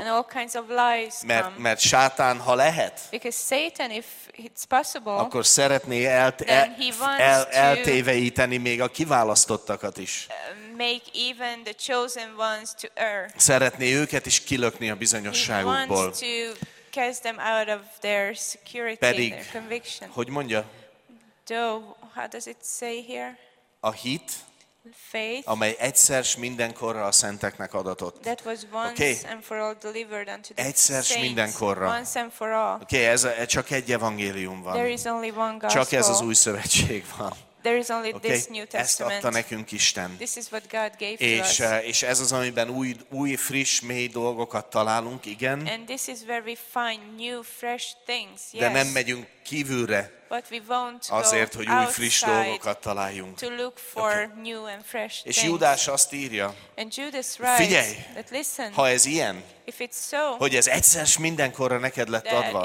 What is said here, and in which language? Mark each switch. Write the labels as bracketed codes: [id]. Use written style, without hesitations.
[en] and all kinds of lies come. [hu] Mert Sátán, ha lehet, [en] because Satan, if it's possible, [hu] akkor szeretné eltéveíteni még a kiválasztottakat is. [en] Make even the chosen ones to err. [hu] Szeretné őket is kilökni a bizonyosságukból. [en] He wants to cast them out of their security, [hu] pedig, [en] their conviction. [hu] Hogy mondja? [en] Though, how does it say here? [hu] A hit, [en] faith, [hu] amely egyszer s mindenkorra a szenteknek adatott. [en] That was once okay. and for all delivered unto the [hu] egyszer [en] saints. [hu] Mindenkorra. [en] Once and for all. [hu] Okay, ez csak egy evangélium van. [en] There is only one gospel. [hu] Csak ez az új szövetség van. [en] There is only okay. this New Testament. [hu] Ezt adta nekünk Isten. [en] This is what God gave [hu] és, [en] to us. [hu] És ez az, amiben új, friss, mély dolgokat találunk, igen. [en] And this is where we find new, fresh things. [hu] De nem megyünk kívülre. [en] But we won't [hu] azért, [en] go [hu] hogy új, friss dolgokat találjunk. [en] To look for okay. new and fresh things. [hu] És Judás azt írja. [en] And Judas writes, [hu] figyelj, [en] that listen, [hu] ha ez ilyen, [en] if it's so, [hu] hogy ez egyszer s mindenkorra neked lett adva,